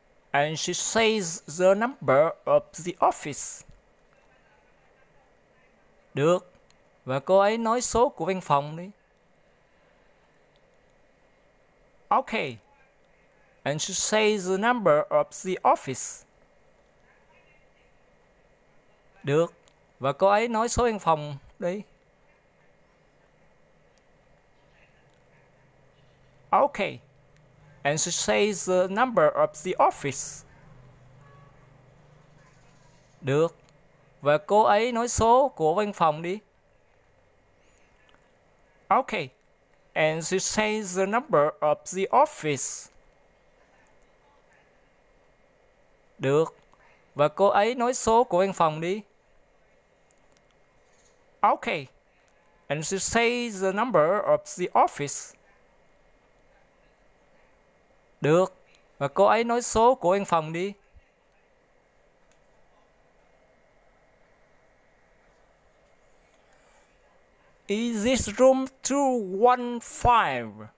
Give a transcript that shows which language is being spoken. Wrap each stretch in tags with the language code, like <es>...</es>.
<en>And she says the number of the office.</en> <vi>Được. Và cô ấy nói số của văn phòng đi.</vi> <en>Okay. And she says the number of the office.</en> <vi>Được. Và cô ấy nói số văn phòng đi.</vi> <en>Okay. And she says the number of the office.</en> <vi>Được. Và cô ấy nói số của văn phòng đi.</vi> <en>Okay. And she says the number of the office.</en> <vi>Được. Và cô ấy nói số của văn phòng đi.</vi> <en>Okay. And she says the number of the office.</en> <vi>Được. Và cô ấy nói số của văn phòng đi.</vi> <en>Is this room 215?</en>